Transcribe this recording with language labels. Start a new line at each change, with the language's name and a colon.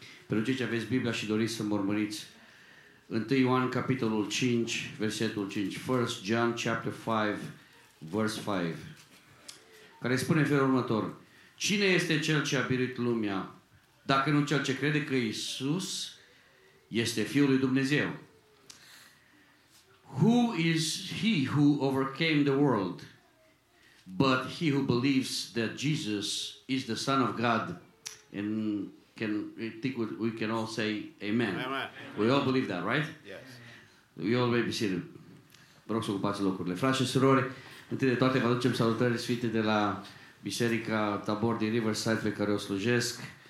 Romanian: Pentru cei ce aveți Biblia și doriți să mă urmăriți, 1 Ioan, capitolul 5, versetul 5,
English: 1 John, chapter 5, verse 5,
Romanian: care spune felul următor: cine este cel ce a biruit lumea, dacă nu cel ce crede că Iisus este Fiul lui Dumnezeu?
English: Who is he who overcame the world, but he who believes that Jesus is the Son of God? And can, I think we can all say amen. Amen. We all believe that, right? Yes. We all may be seated.
Romanian: Vă rog să ocupați locurile. Frașii și surori, întâi de toate vă aducem salutări sfinte de la Biserica Tabor din Riverside, pe care o slujesc.